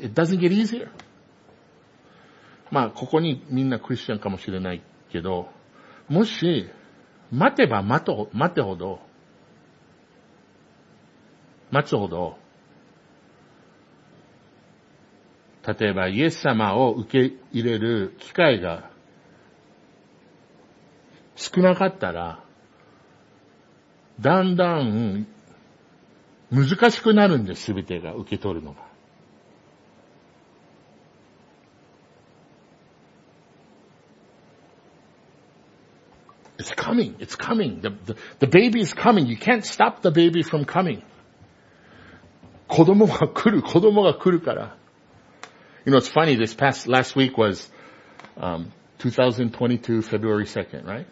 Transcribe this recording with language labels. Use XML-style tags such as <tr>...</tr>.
<en>It doesn't get easier.</en> <ja>まあ、ここにみんなクリスチャンかもしれないけど、もし、待てば待つほど、例えばイエス様を受け入れる機会が少なかったら、だんだん難しくなるんです、すべてが受け取るのが。</ja> <en>It's coming, it's coming. The baby is coming. You can't stop the baby from coming.</en> <ja>子供が来る、子供が来るから。</ja> <en>You know, it's funny, last week was, 2022, February 2nd, right?</en>